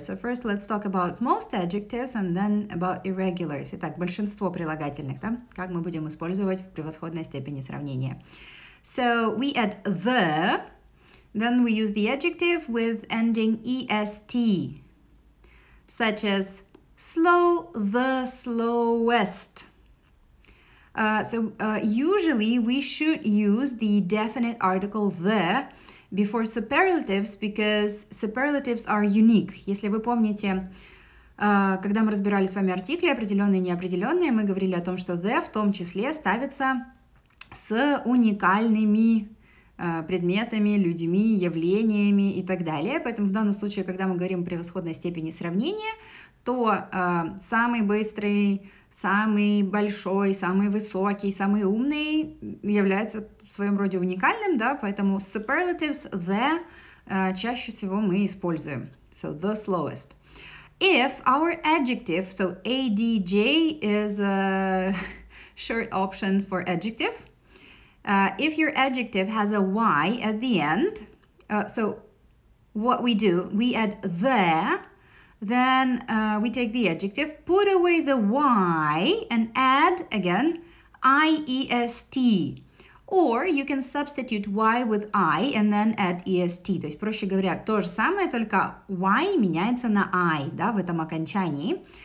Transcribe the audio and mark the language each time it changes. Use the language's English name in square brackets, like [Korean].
[English] So first, let's talk about most adjectives and then about irregulars. [Russian] Итак, большинство прилагательных, да? Как мы будем использовать в превосходной степени сравнения. [English] So we add the, then we use the adjective with ending est, such as slow, the slowest. Usually we should use the definite article the before superlatives because superlatives are unique. [Russian] Если вы помните, когда мы разбирали с вами артикли определенные и неопределенные, мы говорили о том, что the в том числе ставится с уникальными предметами, людьми, явлениями и так далее. Поэтому в данном случае, когда мы говорим о превосходной степени сравнения, то самый быстрый, самый большой, самый высокий, самый умный является в своем роде уникальным, да, поэтому superlatives the чаще всего мы используем. [English] So, the slowest. If our adjective, so adj is a short option for adjective, if your adjective has a y at the end, so what we do, we add the. Then we take the adjective, put away the y, and add, again, iest. Or you can substitute y with i and then add est. [Russian] То есть, проще говоря, то же самое, только y меняется на i, да, в этом окончании.